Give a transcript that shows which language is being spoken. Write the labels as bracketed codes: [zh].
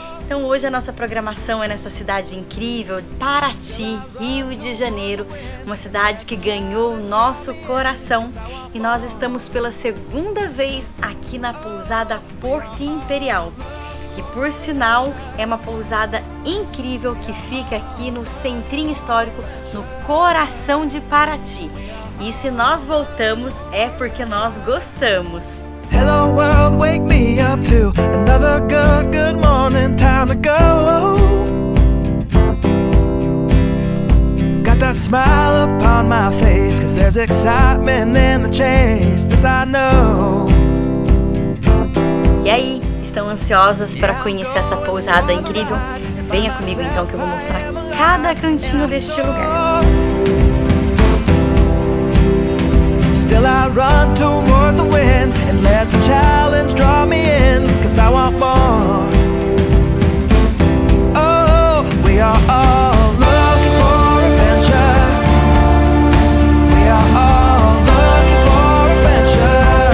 [pt] Então hoje a nossa programação é nessa cidade incrível, Paraty, Rio de Janeiro, uma cidade que ganhou o nosso coração e nós estamos pela segunda vez aqui na pousada Porto Imperial, que por sinal é uma pousada incrível que fica aqui no centrinho histórico, no coração de Paraty. E se nós voltamos é porque nós gostamos. [en] Hello world, wake me up to another good, good morning, time to go. Got that smile upon my face, cause there's excitement in the chase, this I know. [pt] E aí, estão ansiosas para conhecer essa pousada incrível? Venha comigo então que eu vou mostrar cada cantinho deste lugar. [en] Still I run toward the wind and let the challenge draw me in, cause I want more. Oh, we are all looking for adventure. We are all looking for adventure.